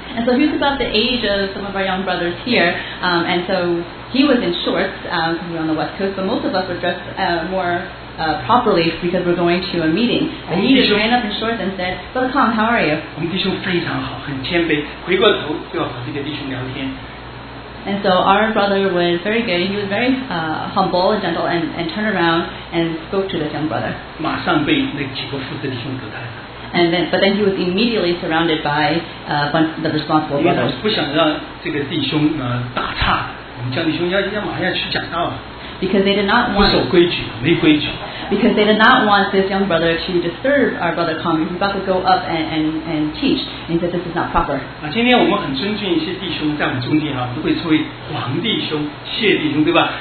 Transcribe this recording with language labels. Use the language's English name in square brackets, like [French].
[English] And so he's about the age of some of our young brothers here, and so he was in shorts, because we're on the West Coast, but most of us were dressed more properly because we're going to a meeting. And he just ran up in shorts and said, "Brother Tom, how are you?" [Chinese] 我们弟兄非常好，很谦卑，回过头就要和这个弟兄聊天。 [English] And so our brother was very good. He was very humble and gentle and turned around and spoke to this young brother. But then he was immediately surrounded by the responsible brothers. [Chinese] 不想让这个弟兄打岔，我们叫弟兄要马上要去讲道。 [English] Because they did not want [Chinese] 不守规矩，没规矩。 [English] Because they did not want this young brother to disturb our brother Kong. He's about to go up and teach. And he said this is not proper. [Chinese] 今天我们很尊敬一些弟兄在我们中间哈，我们会称为王弟兄、谢弟兄，对吧？